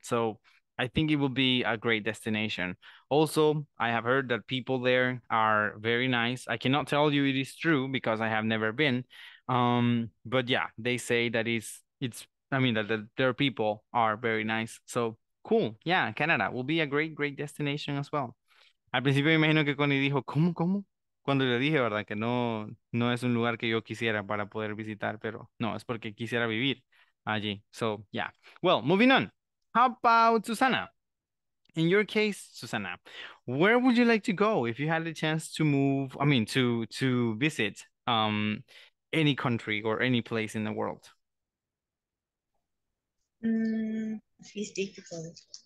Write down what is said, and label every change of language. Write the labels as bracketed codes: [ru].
[en] So I think it will be a great destination. Also, I have heard that people there are very nice. I cannot tell you it is true because I have never been. But yeah, they say that it's I mean that their people are very nice. So cool. Yeah, Canada will be a great, great destination as well. [es] Al principio me imagino que Connie dijo, ¿cómo, cómo? Cuando le dije, ¿verdad? Que no es un lugar que yo quisiera para poder visitar, pero no, es porque quisiera vivir allí. [en] So yeah. Well, moving on. How about Susana? In your case, Susana, where would you like to go if you had the chance to move, I mean to visit any country or any place in the world? It's difficult.